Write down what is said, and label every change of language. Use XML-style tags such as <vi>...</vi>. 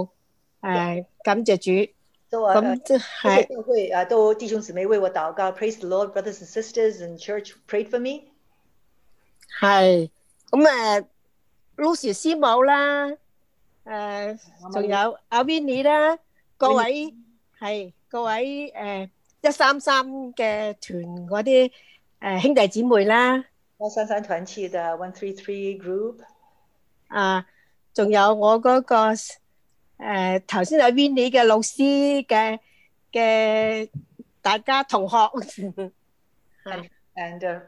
<yue>我感謝主，即是教會各位兄弟姊妹，即是為我禱告，感謝主。</yue> <en>都弟兄姊妹為我禱告, praise the Lord, brothers and sisters in church, prayed for me.</en> <yue>系咁啊，Lucy师母啦，仲有阿Winnie啦，各位系各位133嘅团嗰啲兄弟姊妹啦，133团契的133的老师嘅大家同学，系。 And</yue>